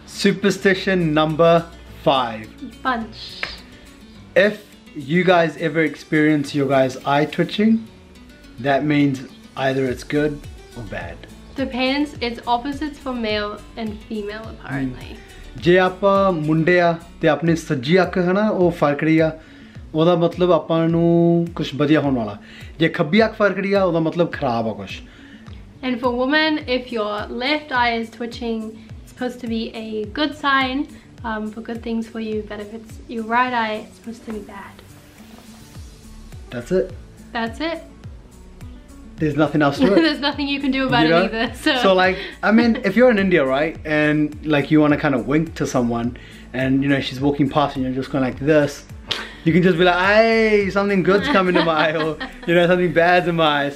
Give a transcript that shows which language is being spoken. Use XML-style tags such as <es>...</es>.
<en>Superstition number 5. Punch. If you guys ever experience your guys' eye twitching, that means either it's good or bad. The pants, it's opposites for male and female apparently.</en> <pa>ਜੇ ਆਪਾਂ ਮੁੰਡੇ ਆ ਤੇ ਆਪਣੇ ਸੱਜੀ ਅੱਖ ਹੈ ਨਾ ਉਹ ਫਰਕੜੀ ਆ ਉਹਦਾ ਮਤਲਬ ਆਪਾਂ ਨੂੰ ਕੁਛ ਵਧੀਆ ਹੋਣ ਵਾਲਾ ਜੇ ਖੱਬੀ ਅੱਖ ਫਰਕੜੀ ਆ ਉਹਦਾ ਮਤਲਬ ਖਰਾਬ ਆ ਕੁਛ</pa> <en>And for omen if your left eye is twitching it's supposed to be a good sign for good things for you but if it's your right eye it's supposed to be bad that's it that's it There's nothing else to it. There's nothing you can do about it either. So like, I mean, if you're in India, right? And like you want to kind of wink to someone and you know, she's walking past and you're just going like this. You can just be like, hey, something good's coming to my eye or, you know, something bad's in my eye.</en>